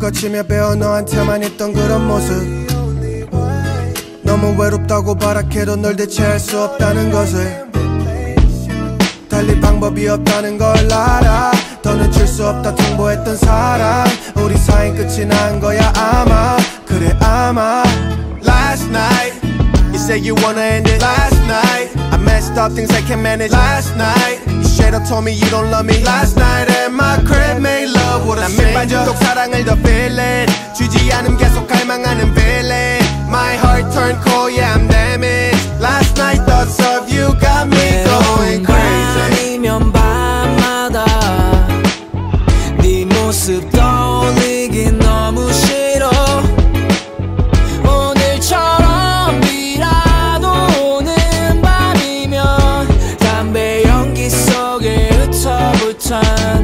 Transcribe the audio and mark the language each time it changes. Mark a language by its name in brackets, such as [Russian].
[Korean] 며 배워 너한테만 있던 그런 모습. 너무 외롭다고 발악해도 널 대체할 수 없다는 것을. 달리 방법이 없다는 걸 알아. 더는 줄 수 없다 통보했던 사랑. 우리 사이 끝이 난 거야 아마. 그래 아마. [English] Last night you said you wanna end it. Last night I messed up things I can't manage. Last night you straight up told me you don't love me. Last night in my crib made love with a stranger. [Korean] 사랑을 더 feeling 주지 않음 계속 갈망하는 feeling. [English] My heart turned cold, yeah I'm damaged. Last night thoughts of you got me going crazy. [Korean] 밤이면 밤마다 네 모습 떠오르기 너무 싫어. 오늘처럼 비라도 오는 밤이면 담배 연기 속에 흩어붙은